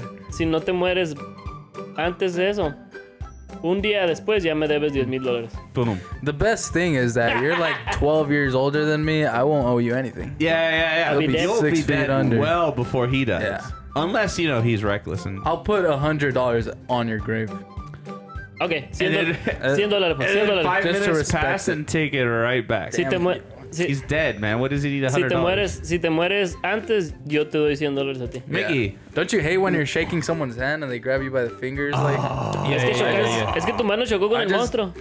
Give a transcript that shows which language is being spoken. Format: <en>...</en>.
<es>Si no te mueres antes de eso, un día después ya me debes $10,000.</es> <en>Boom. The best thing is that you're like 12 years older than me. I won't owe you anything. Yeah. You'll be dead under. Well before he does. Yeah. Unless, you know, he's reckless. And I'll put $100 on your grave. Okay. $100. Just to respect and take it right back. He's dead, man. What does he need $100?</en> <es>Si te mueres antes, yo te doy $100 a ti. Yeah.</es> <en>Miki. Don't you hate when you're shaking someone's hand and they grab you by the fingers?</en> <es>Es que tu mano chocó con el monstruo.</es>